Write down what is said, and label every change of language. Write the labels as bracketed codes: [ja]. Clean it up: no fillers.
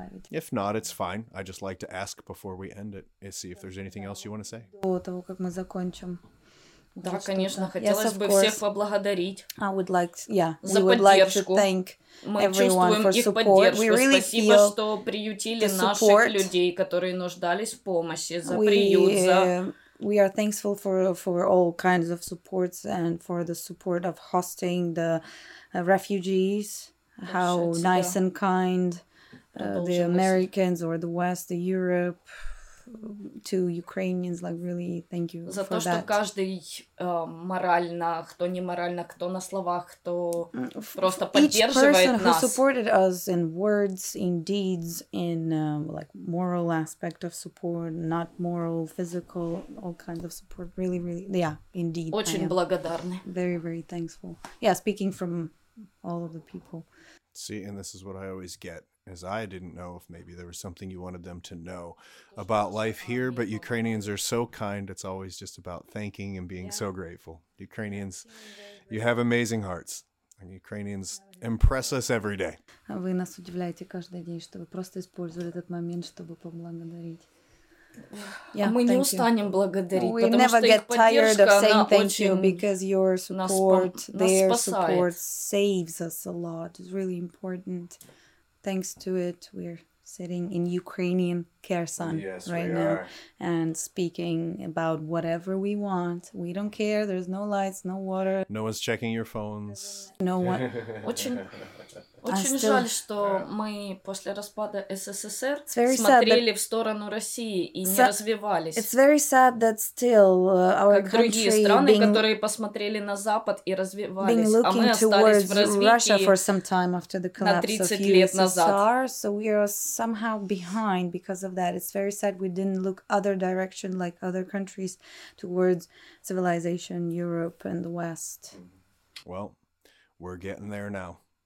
[en] If not, it's fine. I just like to ask before we end it and see if there's anything else you want to say. [ru] Да, конечно, хотелось бы всех поблагодарить. [en] I would like, yeah, we would like to thank everyone for support. We really feel [ru] спасибо, что приютили наших людей, которые нуждались в помощи, за приют, за... [en] We are thankful for all kinds of supports and for the support of hosting the refugees. How nice and kind the Americans or the West, the Europe to Ukrainians, like really thank you [ru] за [en] for [ru] то, [en] that. [ru] Что каждый морально, кто не морально, кто на словах, кто просто поддерживает нас. [en] Each person who supported us in words, in deeds, in like moral aspect of support, not moral, physical, all kinds of support, really, really, yeah, indeed. [ru] Очень благодарны. [en] Very, very thankful. Yeah, speaking from all of the people. See, and this is what I always get. As I didn't know if maybe there was something you wanted them to know about life here, but Ukrainians are so kind. It's always just about thanking and being so grateful. Ukrainians, you have amazing hearts. And Ukrainians impress us every day. [ru] Вы нас удивляете каждый день, что вы просто использовали этот момент, чтобы поблагодарить. Yeah, мы не устанем благодарить, [en] we never get tired of saying thank you because your support, their support saves us a lot. It's really important. Thanks to it, we're sitting in Ukrainian Kherson right now and speaking about whatever we want. We don't care. There's no lights, no water. No one's checking your phones. No one. [ru] Очень жаль, что мы после распада СССР смотрели в сторону России и не развивались. [en] It's very sad that still our [ru] country как другие страны, которые посмотрели на Запад и развивались, а мы остались в развитии [en] Russia for some time after the collapse of USSR. So we are somehow behind because of that. It's very sad we didn't look other direction like other countries towards civilization, Europe and the West. Well, we're getting there now.